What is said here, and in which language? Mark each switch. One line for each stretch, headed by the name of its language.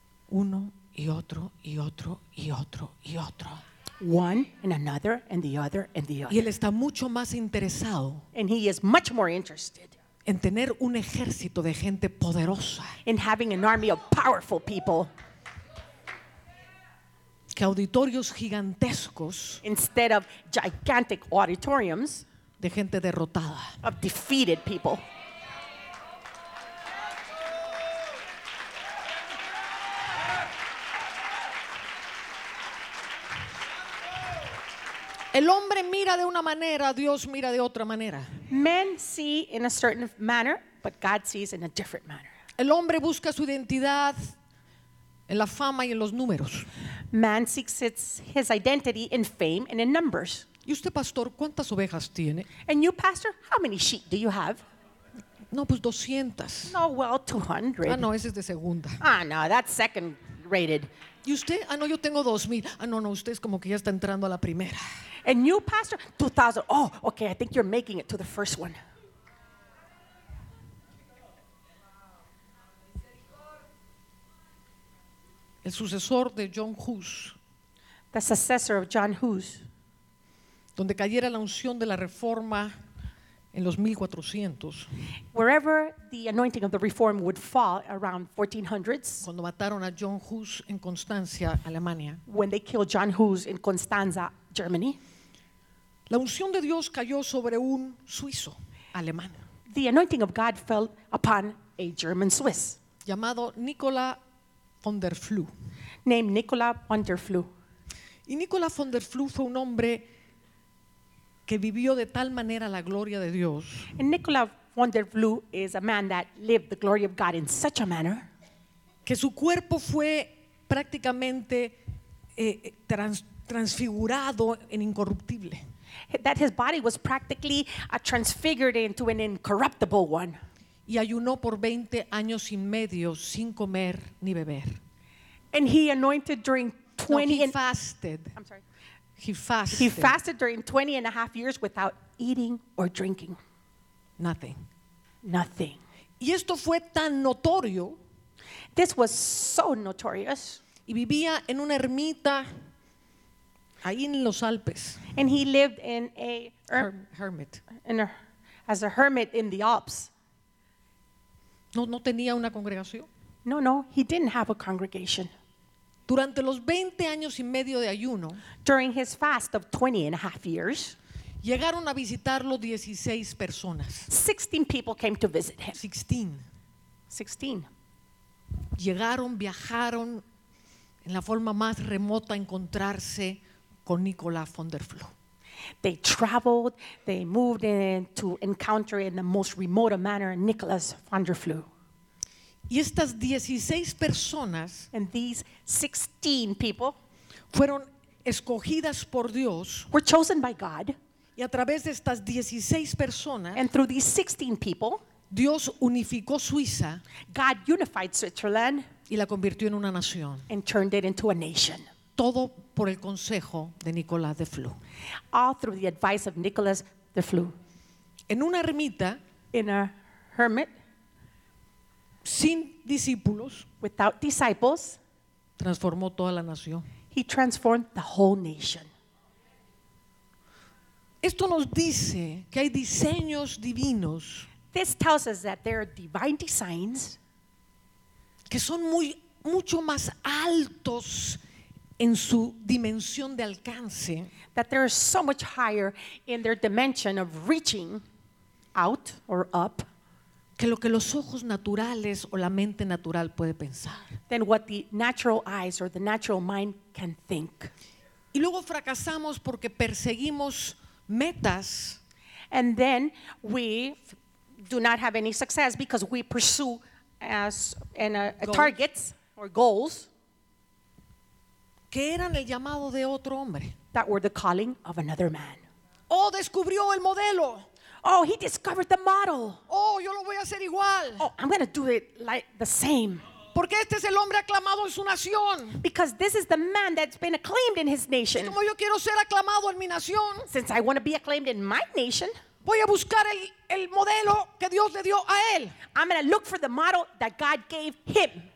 Spanish: Uno y otro y otro y otro y otro.
English: One and another and the other and the other.
Spanish: Y él está mucho más interesado.
English: And he is much more interested.
Spanish: En tener un ejército de gente poderosa.
English: In having an army of powerful people.
Spanish: Que auditorios gigantescos.
English: Instead of gigantic auditoriums.
Spanish: De gente derrotada.
English: Of defeated people.
Spanish: El hombre mira de una manera, Dios mira de otra manera.
English: Men see in a certain manner, but God sees in a different manner.
Spanish: El hombre busca su identidad en la fama y en los números.
English: Man seeks his identity in fame and in numbers.
Spanish: ¿Y usted, pastor, cuántas ovejas tiene?
English: And you, pastor, how many sheep do you have?
Spanish: No, pues 200.
English: No, well, 200.
Spanish: Ah, no, ese es de segunda.
English: Ah, no, that's second rated.
Spanish: ¿Y usted? Ah, no, yo tengo 2,000. Ah, no, no, usted es como que ya está entrando a la primera.
English: And you, pastor, 2,000. Oh, okay, I think you're making it to the first one.
Spanish: El sucesor de John Hus.
English: The successor of John Hus.
Spanish: Donde cayera la unción de la reforma en los 1400.
English: Wherever the anointing of the reform would fall around 1400s.
Spanish: Cuando mataron a John Hus en Constanza, Alemania.
English: When they killed John Hus in Constanza, Germany.
Spanish: La unción de Dios cayó sobre un suizo alemán.
English: The anointing of God fell upon a German Swiss.
Spanish: Llamado Nicola von der Flu.
English: Named Nicola von der Flu.
Spanish: Y Nicola von der Flu fue un hombre que vivió de tal manera la gloria de Dios.
English: And Nicola von der Flu is a man that lived the glory of God in such a manner.
Spanish: Que su cuerpo fue prácticamente transfigurado en incorruptible.
English: That his body was practically transfigured into an incorruptible one.
Spanish: Y ayunó por 20 años y medio sin comer ni beber.
English: And he anointed during 20. No, he fasted. I'm sorry. He fasted. He fasted during 20 and a half years without eating or drinking. Nothing. Nothing.
Spanish: Y esto fue tan notorio.
English: This was so notorious.
Spanish: Y vivía en una ermita. Ahí en los Alpes.
English: And he lived in a hermit. As a hermit in the Alps.
Spanish: No tenía una congregación.
English: No, he didn't have a congregation.
Spanish: Durante los 20 años y medio de ayuno,
English: during his fast of 20 and a half years,
Spanish: llegaron a visitarlo 16 personas.
English: 16 people came to visit him.
Spanish: 16. Llegaron, viajaron en la forma más remota a encontrarse con Nicola von der Flu.
English: They traveled, they moved in to encounter in the most remote manner Nicola von der Flu.
Spanish: Y estas 16 personas,
English: and these 16 people,
Spanish: fueron escogidas por Dios,
English: were chosen by God,
Spanish: y a través de estas 16 personas,
English: and through these 16 people,
Spanish: Dios unificó Suiza,
English: God unified Switzerland,
Spanish: y la convirtió en una nación,
English: and turned it into a nation.
Spanish: Todo por el consejo de Nicola von der Flu.
English: All through the advice of Nicola von der Flu.
Spanish: En una ermita.
English: In a hermit.
Spanish: Sin discípulos.
English: Without disciples.
Spanish: Transformó toda la nación.
English: He transformed the whole nation.
Spanish: Esto nos dice que hay diseños divinos.
English: This tells us that there are divine designs.
Spanish: Que son muy mucho más altos en su dimensión de alcance.
English: That they are so much higher in their dimension of reaching out or up.
Spanish: Que lo que los ojos naturales o la mente natural puede pensar.
English: Than what the natural eyes or the natural mind can think.
Spanish: Y luego fracasamos porque perseguimos metas.
English: And then we do not have any success because we pursue targets or goals.
Spanish: Que eran el llamado de otro hombre.
English: That were the calling of another man.
Spanish: Oh, descubrió el modelo.
English: Oh, he discovered the model.
Spanish: Oh, yo lo voy a hacer igual.
English: Oh, I'm going to do it like the same.
Spanish: Porque este es el hombre aclamado en su nación.
English: Because this is the man that's been acclaimed in his nation.
Spanish: Como yo quiero ser aclamado en mi nación.
English: Since I want to be acclaimed in my nation.
Spanish: Voy a buscar el modelo que Dios le dio a él.
English: I'm going to look for the model that God gave him.